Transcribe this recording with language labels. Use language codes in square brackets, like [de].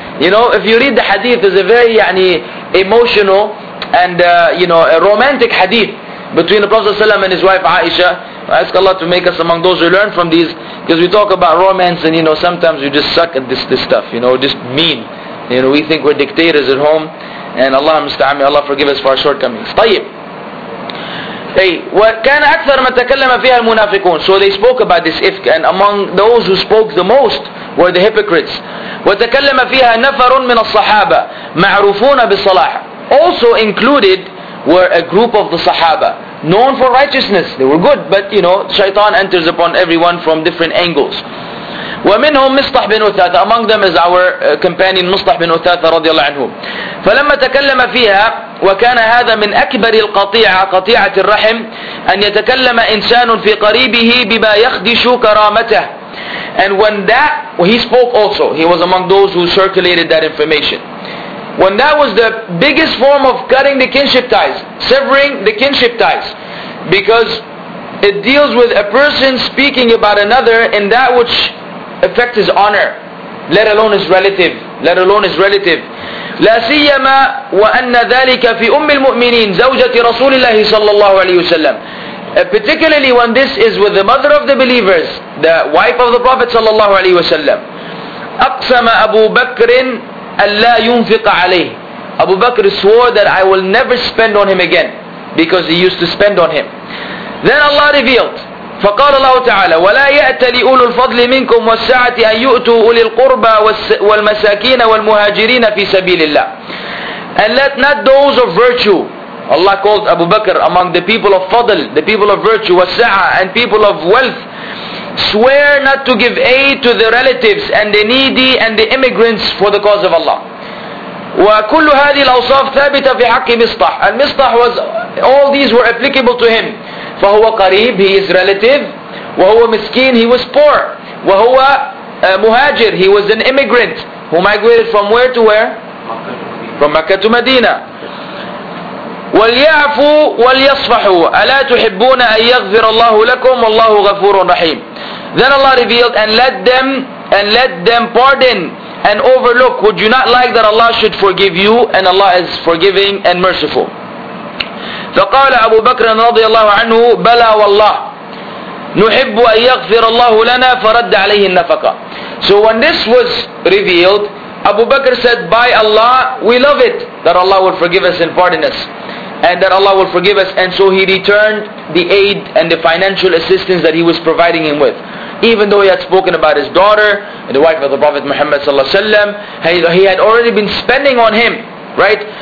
[en] You know, if you read the hadith, there's a very يعني, emotional and, you know, a romantic hadith between the Prophet ﷺ and his wife Aisha. I ask Allah to make us among those who learn from these, because we talk about romance and, you know, sometimes we just suck at this stuff, you know, just mean. You know, we think we're dictators at home, and Allah musta'an, Allah forgive us for our shortcomings. [ar] طيب. Hey, وكان أكثر ما تكلم فيها المنافقون. [en] So they spoke about this ifk, and among those who spoke the most were the hypocrites. [ar] وتكلم فيها نفر من الصحابة معروفون بالصلاح. [en] Also included were a group of the Sahaba, known for righteousness. They were good, but you know, shaitan enters upon everyone from different angles. [ar] ومنهم مصطح بن أثاثة. [en] Among them is our companion مصطح بن أثاثة رضي الله عنه. [ar] فلما تكلم فيها وكان هذا من أكبر القطيعة قطيعة الرحم أن يتكلم إنسان في قريبه بما يخدش كرامته. [en] And when that, well, he spoke also, he was among those who circulated that information. When that was the biggest form of cutting the kinship ties, severing the kinship ties, because it deals with a person speaking about another in that which affects his honor, let alone his relative, let alone his relative. [ar] لا سيما وأن ذلك في أم المؤمنين زوجة رسول الله صلى الله عليه وسلم. [en] Particularly when this is with the mother of the believers, the wife of the Prophet [ar] صلى الله عليه وسلم. أقسم أبو بكر أَلَّا يُنْفِقَ عَلَيْهِ. [en] Abu Bakr swore that I will never spend on him again, because he used to spend on him. Then Allah revealed, [ar] فَقَالَ اللَّهُ تَعَالَى وَلَا يَأْتَ لِأُولُ الْفَضْلِ مِنْكُمْ وَالسَّعَةِ أَنْ يُؤْتُوا أُولِي الْقُرْبَى وَالْمَسَاكِينَ وَالْمُهَاجِرِينَ فِي سَبِيلِ اللَّهِ. [en] And let not those of virtue, Allah called Abu Bakr among the people of fadl, the people of virtue, wasa'a, and people of wealth, swear not to give aid to the relatives and the needy and the immigrants for the cause of Allah. [ar] وكل هذه الأوصاف ثابتة في حق مصطح. [en] And مصطح was, all these were applicable to him. [ar] فهو قريب, [en] he is relative. [ar] وهو مسكين, [en] he was poor. [ar] وهو مهاجر, [en] he was an immigrant who migrated from where to where? From مكة to مدينة. [ar] وليعفوا وليصفحوا ألا تحبون أن يغفر الله لكم والله غفور رحيم. [en] Then Allah revealed, and let them pardon and overlook. Would you not like that Allah should forgive you? And Allah is forgiving and merciful. [ar] فقال أبو بكر رضي الله عنه بلى والله نحب أن يغفر الله لنا فرد عليه النفقة. [en] So when this was revealed, Abu Bakr said, by Allah, we love it that Allah will forgive us and pardon us, and that Allah will forgive us. And so he returned the aid and the financial assistance that he was providing him with. Even though he had spoken about his daughter and the wife of the Prophet Muhammad sallallahu alaihi wasallam, he had already been spending on him, right?